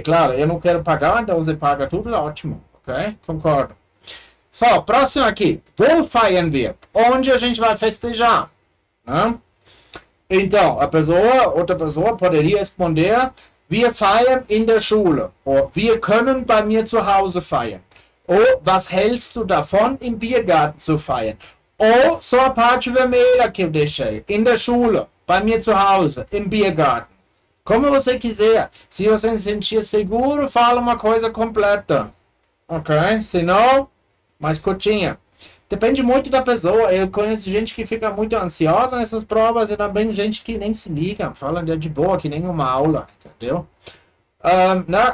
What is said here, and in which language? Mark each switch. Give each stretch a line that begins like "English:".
Portuguese: Claro, eu não quero pagar, então você paga tudo, ótimo. Ok? Concordo. So, próximo aqui.
German: Wo feiern wir?
Portuguese: Onde a gente vai festejar? Ne? Então, a pessoa, outra pessoa poderia responder,
German: wir feiern in der Schule.
Portuguese: Ou,
German: wir können bei mir zu Hause feiern. Ou, was hältst du davon, im Biergarten zu feiern?
Portuguese: Ou, só a parte vermelha que eu deixei,
German: in der Schule. Bei mir zu Hause, im Biergarten.
Portuguese: Como você quiser. Se você se sentir seguro, fala uma coisa completa. Ok? Se não, mais curtinha. Depende muito da pessoa. Eu conheço gente que fica muito ansiosa nessas provas e também gente que nem se liga. Fala de boa, que nem uma aula. Entendeu? Né?